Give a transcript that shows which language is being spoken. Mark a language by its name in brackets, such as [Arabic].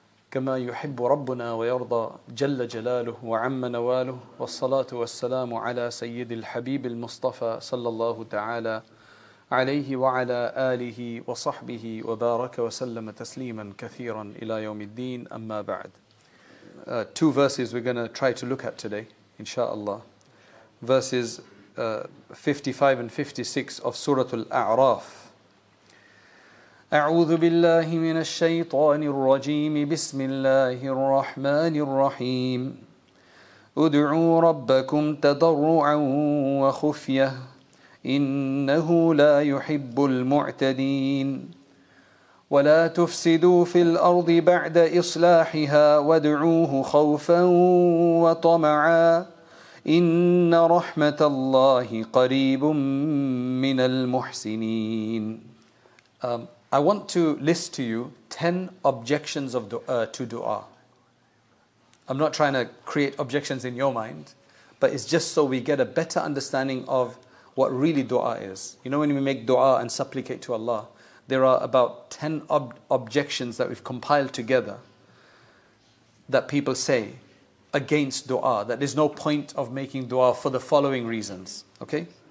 [Arabic] كما يحب ربنا ويرضى جل جلاله وعم نواله والصلاة والسلام على سيد الحبيب المصطفى صلى الله تعالى عليه وعلى آله وصحبه وبارك وسلم تسليما كثيرا إلى يوم الدين أما بعد. [English] Two verses we're going to try to look at today, inshallah. Verses 55 and 56 of Surah Al-A'raf. [Arabic] أعوذ بالله من الشيطان الرجيم بسم الله الرحمن الرحيم ادعوا ربكم تضرعا وخفية إنه لا يحب المعتدين ولا تفسدوا في الأرض بعد إصلاحها وادعوه خوفا وطمعا إن رحمة الله قريب من المحسنين. [English] I want to list to you 10 objections of to dua. I'm not trying to create objections in your mind, but it's just so we get a better understanding of what really dua is. You know, when we make dua and supplicate to Allah, there are about 10 objections that we've compiled together that people say against dua, that there's no point of making dua for the following reasons. Okay?